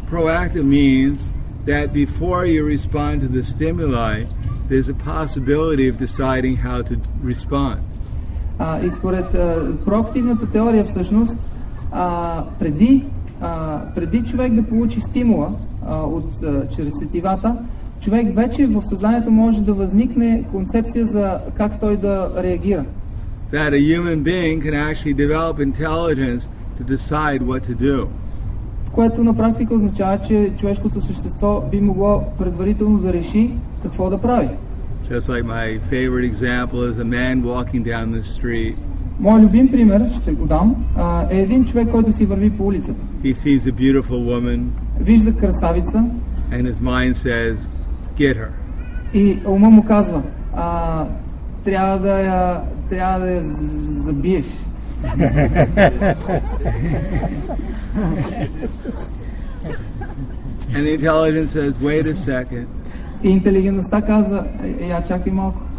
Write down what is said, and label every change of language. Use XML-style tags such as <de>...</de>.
<en>Proactive means that before you respond to the stimuli, there's a possibility of deciding how to respond.</en> <bg>И според проактивната теория всъщност, преди човек да получи стимула чрез сетивата, човек вече в съзнанието може да възникне концепция за как той да реагира.</bg> <en>That a human being can actually develop intelligence to decide what to do.</en> <bg>Което на практика означава, че човешкото същество би могло предварително да реши какво да прави.</bg> <en>Just like my favorite example is a man walking down the street.</en> <bg>Моя любим пример, ще го дам, е един човек, който си върви по улицата.</bg> <en>He sees a beautiful woman.</en> <bg>Вижда красавица.</bg> <en>And his mind says, get her.</en> <bg>И ума му казва, трябва да я забиеш.</bg> <en>And the intelligence says, wait a second.</en> <bg>И интелигентността казва, я чакай малко.</bg>